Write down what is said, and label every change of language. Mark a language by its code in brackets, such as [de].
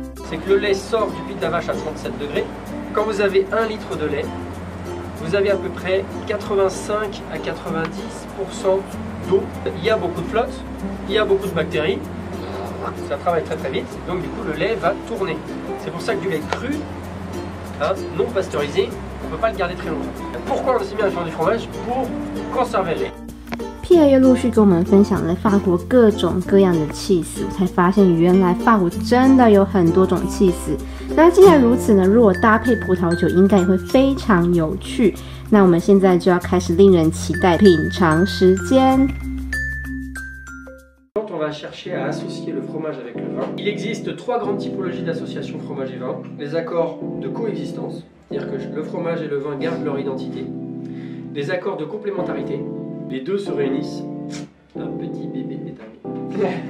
[fr] C'est que le lait sort du puits de la vache à 37 degrés. Quand vous avez 1 litre de lait, vous avez à peu près 85 à 90% d'eau. Il y a beaucoup de flotte, il y a beaucoup de bactéries, ça travaille très très vite, donc du coup le lait va tourner. C'est pour ça que du lait cru, hein, non pasteurisé, on ne peut pas le garder très longtemps. Pourquoi on s'est mis à faire du fromage? Pour conserver le lait. [zh] Pierre 又陆续跟我们分享了法国各种各样的起司，我才发现原来法国真的有很多种起司。那既然如此呢，如果搭配葡萄酒应该也会非常有趣。那我们现在就要开始令人期待品尝时间。 [fr] Quand on va chercher à associer le fromage avec le vin, il existe trois grandes typologies d'association fromage et vin. Les accords de coexistence, c'est-à-dire que le fromage et le vin gardent leur identité. Les accords de complémentarité, les deux se réunissent. Un petit bébé est arrivé.